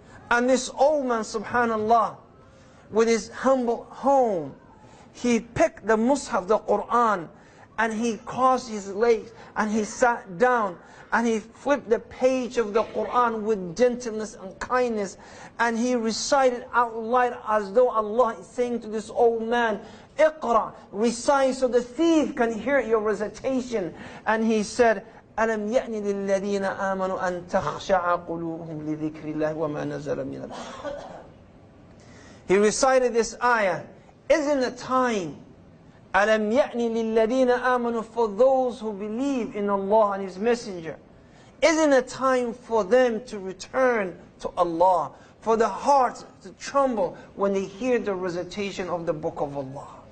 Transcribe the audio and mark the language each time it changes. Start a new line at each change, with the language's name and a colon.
English: And this old man, subhanallah, with his humble home, he picked the Mus'haf, the Qur'an, and he crossed his legs, and he sat down, and he flipped the page of the Qur'an with gentleness and kindness, and he recited out loud as though Allah is saying to this old man, Iqra, recite so the thief can hear your recitation.
Arabic: And he said, أَلَمْ يَأْنِ لِلَّذِينَ آمَنُوا أَن تَخْشَعَ قُلُوبُهُمْ لِذِكْرِ اللَّهِ وَمَا نَزَلَ مِنَ الْحَقِّ.
English: He recited this ayah. Isn't it time?
Arabic: أَلَمْ يَأْنِ لِلَّذِينَ آمَنُوا,
English: for those who believe in Allah and His Messenger, isn't it time for them to return to Allah, for the hearts to tremble when they hear the recitation of the Book of Allah?